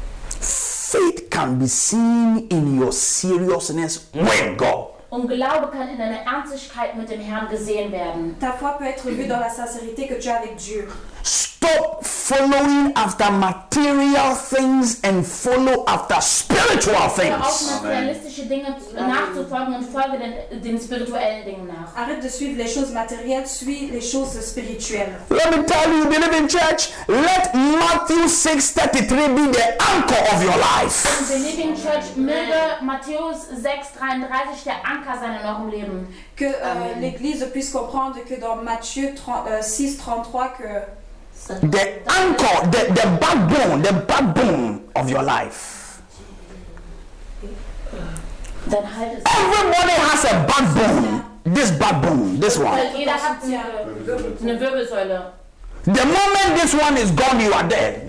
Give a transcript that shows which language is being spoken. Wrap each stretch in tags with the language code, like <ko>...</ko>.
<en>Faith can be seen in your seriousness with God.</en> <de>Und Glaube kann in deiner Ernstigkeit mit dem Herrn gesehen werden.</de> <fr>Ta foi peut être vue dans la sincérité que tu as avec Dieu.</fr> <en>Stop following after material things and follow after spiritual things.</en> <de>Materialistische Dinge nachzufolgen und folge den spirituellen Dingen nach.</de> <fr>Arrête de suivre les choses matérielles, suis les choses spirituelles.</fr> <en>Let me tell you, believe in church, let Matthew 6:33 be the anchor of your life. Believe in church,</en> <de>möge Matthäus 6:33 der Anker sein in eurem Leben.</de> <fr>Que l'église puisse comprendre que dans Matthieu 6:33 que</fr> <en>the anchor, the backbone of your life. Everybody has a backbone. This backbone, this one. The moment this one is gone, you are dead.</en>